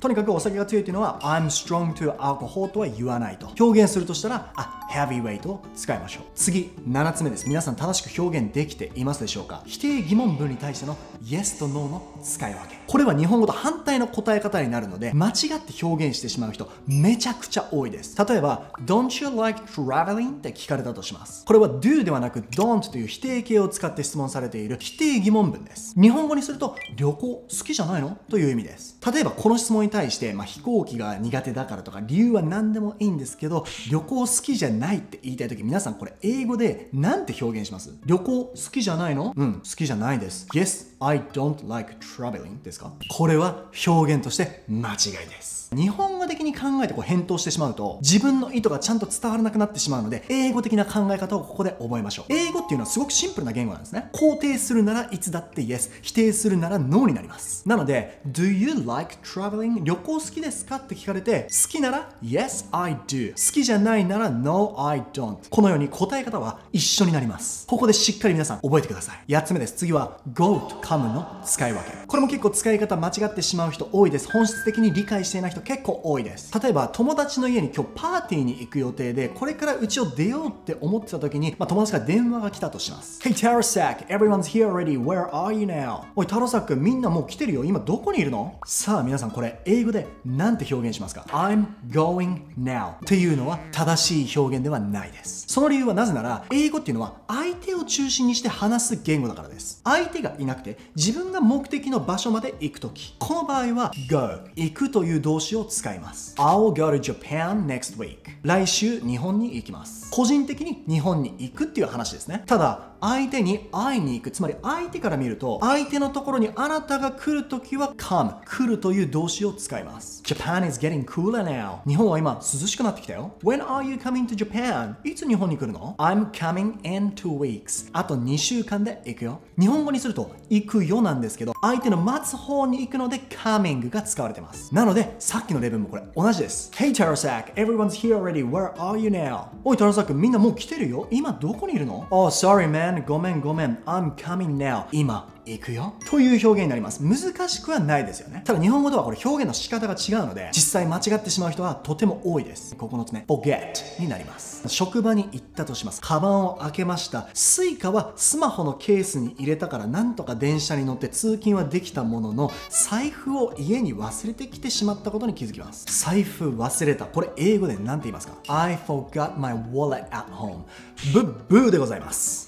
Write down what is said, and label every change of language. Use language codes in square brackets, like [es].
[ja] とにかくお酒が強いっていうのは I'm strong to alcohol とは言わないと。表現するとしたら、あ、heavyweight を使いましょう。次、7つ目です。皆さん正しく表現できていますでしょうか。否定疑問文に対しての Yes と No の使い分け、これは日本語と反対の答え方になるので、間違って表現してしまう人めちゃくちゃ多いです。 [en] 例えば Don't you like traveling? [ja] って聞かれたとします。これは Do ではなく Don't という否定形を使って質問されている否定疑問文です。日本語にすると旅行好きじゃないのという意味です。例えばこの質問に対して、まあ、飛行機が苦手だからとか理由は何でもいいんですけど、旅行好きじゃないって言いたいとき、皆さんこれ英語でなんて表現します？旅行好きじゃないの？うん、好きじゃないです。 [en] Yes, I don't like traveling ですか？ [ja] これは表現として間違いです。日本語的に考えてこう返答してしまうと、自分の意図がちゃんと伝わらなくなってしまうので、英語的な考え方をここで覚えましょう。英語っていうのはすごくシンプルな言語なんですね。肯定するならいつだって Yes、 否定するなら No になります。 [en] なので Do you like traveling? [ja] 旅行好きですかって聞かれて、好きなら Yes, I do、好きじゃないなら No, I don't、このように答え方は一緒になります。ここでしっかり皆さん覚えてください。8つ目です。次は Go と Come の使い分け、これも結構使い方間違ってしまう人多いです。本質的に理解していない人結構多いです。例えば友達の家に今日パーティーに行く予定で、これから家を出ようって思ってた時に、まあ、友達から電話が来たとします。 [en] Hey Tarasak, everyone's here already, where are you now? [ja] おい、タロサック、みんなもう来てるよ、今どこにいるの？さあ皆さん、これ英語でなんて表現しますか？ I'm going now っていうのは正しい表現ではないです。その理由はなぜなら、英語っていうのは相手を中心にして話す言語だからです。相手がいなくて自分が目的の場所まで行くとき、この場合は Go、 行くという動詞を使います。 [en] I'll go to Japan next week、来週日本に行きます。 [ja] 個人的に日本に行くっていう話ですね。ただ相手に会いに行く、つまり相手から見ると、相手のところにあなたが来るときは come、 来るという動詞を使います。 Japan is getting cooler now、日本は今涼しくなってきたよ。 [en] When are you coming to Japan? [ja] いつ日本に来るの？ [en] I'm coming in 2 weeks、あと2週間で行くよ。 [ja] 日本語にすると行くよなんですけど、相手の待つ方に行くので coming が使われてます。なのでさっきの例文もこれ同じです。 [en] Hey Tarasak, everyone's here already, where are you now? [ja] おい、Tarasak, みんなもう来てるよ、今どこにいるの？ Oh, sorry man ごめんごめん、 I'm coming now、今行くよという表現になります。難しくはないですよね。ただ日本語とはこれ表現の仕方が違うので、実際間違ってしまう人はとても多いです。 9つ目 Forget になります。職場に行ったとします。カバンを開けました。スイカはスマホのケースに入れたから、なんとか電車に乗って通勤はできたものの、財布を家に忘れてきてしまったことに気づきます。財布忘れた、これ英語で何て言いますか？ [en] I forgot my wallet at home、ブッブーでございます。